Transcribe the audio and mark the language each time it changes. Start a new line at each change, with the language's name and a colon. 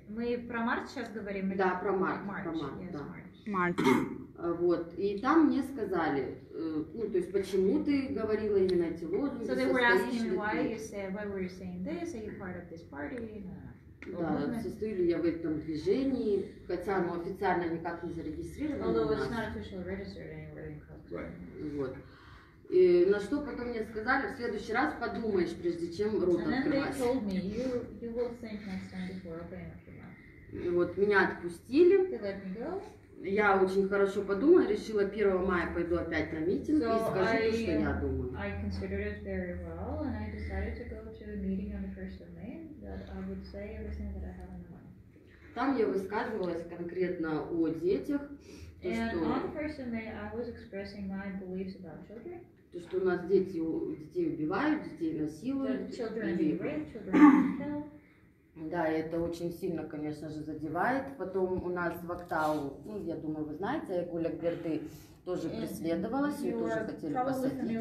Russian: Мы про март сейчас говорим. Да, про март. March. Вот, и там мне сказали, ну, то есть, почему ты говорила именно эти лозунги,
English: so they were asking me, why were you saying this, are you part of this party?
Russian: Да, состою ли я в этом движении, хотя оно официально никак не зарегистрировано.
English: Although it's not officially registered anywhere in Kazakhstan.
Russian: Вот. И на что потом мне сказали, в следующий раз подумаешь, прежде чем рот
English: and
Russian: открывать.
English: And then they told me, you will think next time before opening up your mouth.
Russian: Вот, меня отпустили.
English: They let me go.
Russian: Я очень хорошо подумала, решила 1 мая пойду опять на митинг и скажу то, что я думаю.
English: I considered it very well and I decided to go to the meeting on the 1st of May, that I would say everything that I have in mind.
Russian: Там я высказывалась конкретно о детях.
English: And on the 1st of May I was expressing my beliefs about children.
Russian: То, что у нас дети, детей убивают, детей насилуют.
English: Children are being raped, children are being killed.
Russian: Да, это очень сильно, конечно же, задевает. Потом у нас в Актау, ну, я думаю, вы знаете, Айгуль Акберды тоже преследовалась, ее тоже хотели посадить.